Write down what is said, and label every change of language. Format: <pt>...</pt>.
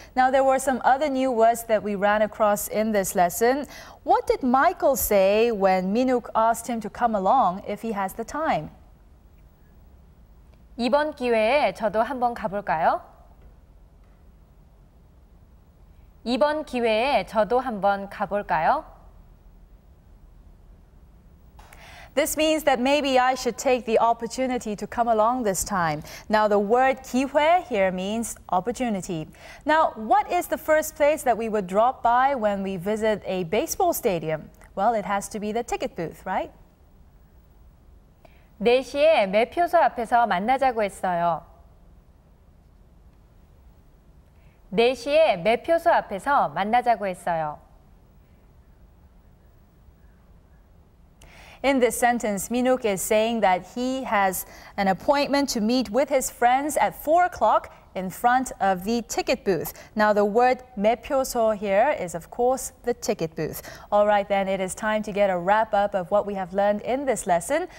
<en>Now, there were some other new words that we ran across in this lesson. What did Michael say when Minook asked him to come along if he has the time?</en> <ko>이번 기회에 저도 한번 가볼까요? 이번 기회에 저도 한번 가볼까요?</ko> <en>This means that maybe I should take the opportunity to come along this time. Now, the word 기회 here means opportunity. Now, what is the first place that we would drop by when we visit a baseball stadium? Well, it has to be the ticket booth, right?</en> <ko>4시에 매표소 앞에서 만나자고 했어요. 4시에 매표소 앞에서 만나자고 했어요.</ko> <en>In this sentence, Minook is saying that he has an appointment to meet with his friends at 4 o'clock in front of the ticket booth. Now, the word 매표소 here is, of course, the ticket booth. All right, then, it is time to get a wrap-up of what we have learned in this lesson.</en>